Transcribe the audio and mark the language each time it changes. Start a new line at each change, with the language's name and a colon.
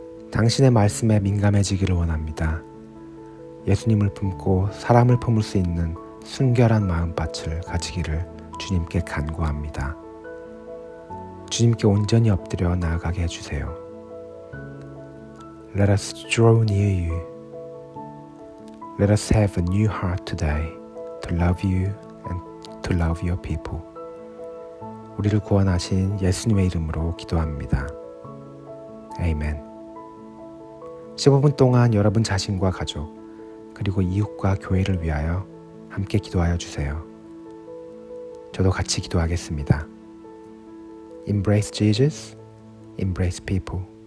Korean: 당신의 말씀에 민감해지기를 원합니다. 예수님을 품고 사람을 품을 수 있는 순결한 마음밭을 가지기를 주님께 간구합니다. 주님께 온전히 엎드려 나아가게 해주세요.
English: Let us draw near you. Let us have a new heart today to love you and to love your people.
Korean: 우리를 구원하신 예수님의 이름으로 기도합니다.
English: Amen.
Korean: 15분 동안 여러분 자신과 가족, 그리고 이웃과 교회를 위하여 함께 기도하여 주세요. 저도 같이 기도하겠습니다.
English: Embrace Jesus, embrace people.